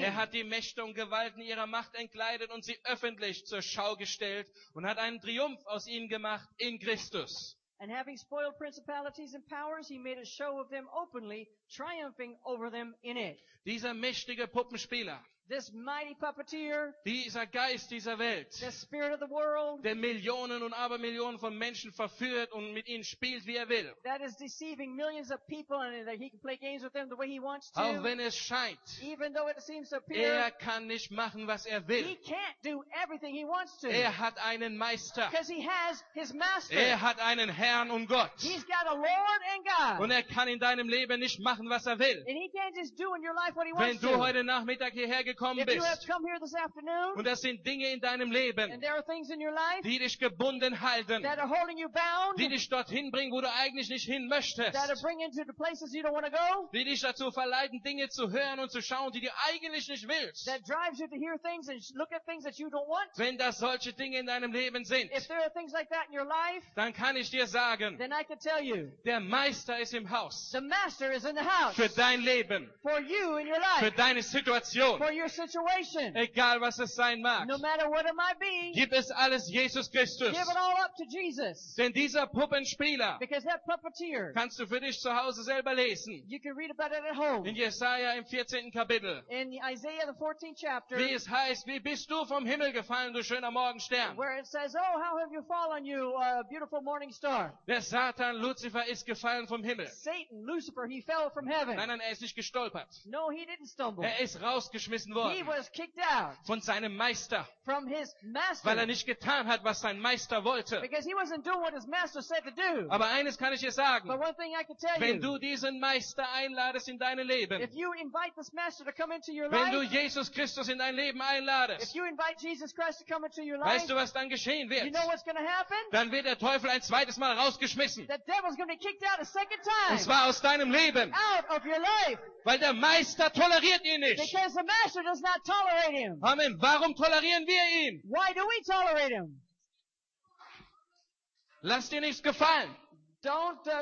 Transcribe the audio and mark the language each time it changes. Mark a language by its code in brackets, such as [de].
[de] Er hat die Mächte und Gewalten ihrer Macht entkleidet und sie öffentlich zur Schau gestellt und hat einen Triumph aus ihnen gemacht in Christus. [en] And having spoiled principalities and powers, he made a show of them openly, triumphing over them in it. [de] Dieser mächtige Puppenspieler. [en] This mighty puppeteer. [de] Dieser Geist dieser Welt. [en] The spirit of the world. [de] Der Millionen und Abermillionen von Menschen verführt und mit ihnen spielt, wie er will. [en] That is deceiving millions of people and that he can play games with them the way he wants to. [de] Auch wenn es scheint. [en] Even though it seems to appear. [de] Er kann nicht machen, was er will. [en] He can't do everything he wants to. [de] Er hat einen Meister. [en] Because he has his master. [de] Er hat einen Herrn und Gott. [en] He's got a Lord and God. [de] Und er kann in deinem Leben nicht machen, was er will. [en] And he can't just do in your life what he [de] wenn [en] wants [de] du [en] to. [de] Heute Nachmittag hierher gekommen [en] if you have come here this afternoon, [de] und das sind Dinge in deinem Leben, [en] and there are things in your life, [de] die dich gebunden halten, [en] that are holding you bound, [de] die dich dorthin bringen, wo du eigentlich nicht hin möchtest, [en] that are bringing you to places you don't want to go, [de] die dich dazu verleiten, Dinge zu hören und zu schauen, die du eigentlich nicht willst, [en] that drives you to hear things and look at things that you don't want. [de] Wenn das solche Dinge in deinem Leben sind, [en] if there are things like that in your life, [de] dann kann ich dir sagen, [en] then I can tell you, [de] der Meister ist im Haus, [en] the master is in the house, [de] für dein Leben, [en] for you in your life, [de] für deine Situation, [en] for your situation. [de] Egal was es sein mag. [en] No matter what it might be. [de] Gib es alles Jesus Christus. [en] Give it all up to Jesus. [de] Denn dieser Puppenspieler. [en] Because that puppeteer. [de] Kannst du für dich zu Hause selber lesen. [en] You can read about it at home. [de] In Jesaja im 14. Kapitel. [en] In Isaiah the 14th chapter. [de] Wie es heißt, wie bist du vom Himmel gefallen, du schöner Morgenstern? [en] Where it says, oh, how have you fallen, you beautiful morning star? [de] Der Satan Lucifer ist gefallen vom Himmel. [en] Satan Lucifer, he fell from heaven. [de] Nein, nein, er ist nicht gestolpert. [en] No, he didn't stumble. [de] Er ist rausgeschmissen. [en] He was kicked out [de] von seinem Meister, [en] from his master, [de] weil er nicht getan hat, was sein Meister wollte. [en] Because he wasn't doing what his master said to do. [de] Aber eines kann ich dir sagen. [en] But one thing I can tell you. [de] Wenn du diesen Meister einladest in deine Leben, [en] if you invite this master to come into your [de] wenn [en] life, [de] du Jesus Christus in dein Leben einladest, [en] if you invite Jesus Christ to come into your life, [de] weißt du, was dann geschehen wird? [en] You know what's gonna happen? [de] Dann wird der Teufel ein zweites Mal rausgeschmissen. [en] The devil's gonna be kicked out a second time. [de] Und zwar aus deinem Leben. [en] Out of your life. [de] Weil der Meister toleriert ihn nicht. [en] Because the master does not tolerate him. [de] Amen. Warum tolerieren wir ihn? [en] Why do we tolerate him? [de] Lass dir nichts gefallen. [en] Don't